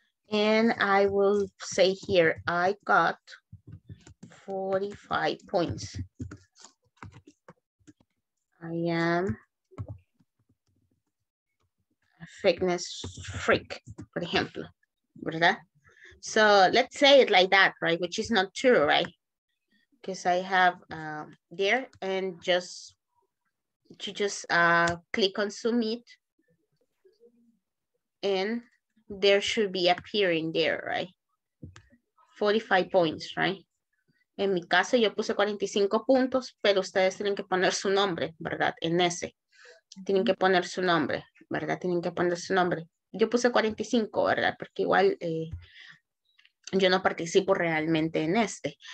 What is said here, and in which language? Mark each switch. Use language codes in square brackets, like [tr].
[en] And I will say here, I got 45 points. I am a fitness freak, [es] por ejemplo, ¿verdad? [en] So let's say it like that, right? Which is not true, right? Because I have there and click on submit and there should be appearing there, right? 45 points, right? [es] En mi caso yo puse 45 puntos, pero ustedes tienen que poner su nombre, ¿verdad? En ese. tienen que poner su nombre, ¿verdad? Tienen que poner su nombre. Yo puse 45, ¿verdad? Porque igual yo no participo realmente en este.